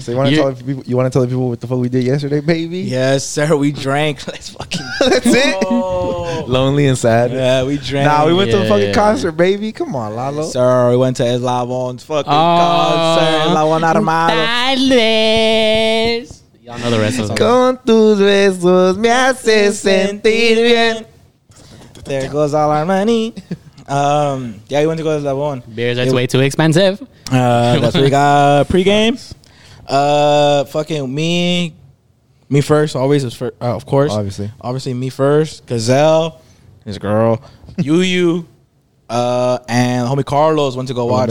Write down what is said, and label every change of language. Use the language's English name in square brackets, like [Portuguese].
[English] So you wanna tell people what the fuck we did yesterday, baby? Yes, sir. We drank. Let's fucking that's it. Lonely and sad. Yeah, we drank. Nah, we went to a fucking concert, baby. Come on, Lalo. Yes, sir, we went to Eslabon's fucking concert. Eslabon Armado. Silence. Y'all know the rest of the song. [Spanish] Con tus besos me hace sentir bien. [English] There goes all our money. Yeah, you went to go to Eslabon. Beers, that's way too expensive. That's what we got pregame. Fucking me first, always is first, of course. Obviously, me first. Gazelle, his girl, Yu, and homie Carlos went to go watch.